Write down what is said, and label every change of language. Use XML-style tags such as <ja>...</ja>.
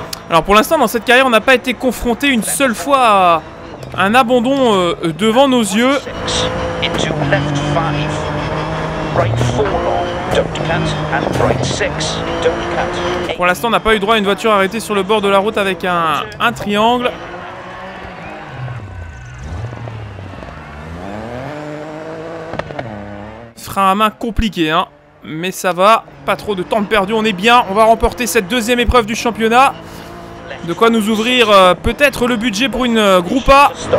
<fr>Alors pour l'instant dans cette carrière on n'a pas été confronté une seule fois à un abandon devant nos yeux.</fr> <en>Into left 5. Right 4 long, don't cut, and right 6, don't cut.</en> <fr>Pour l'instant on n'a pas eu droit à une voiture arrêtée sur le bord de la route avec un triangle. À main compliqué, hein. Mais ça va, pas trop de temps perdu, on est bien, on va remporter cette deuxième épreuve du championnat, de quoi nous ouvrir peut-être le budget pour une Groupa.</fr>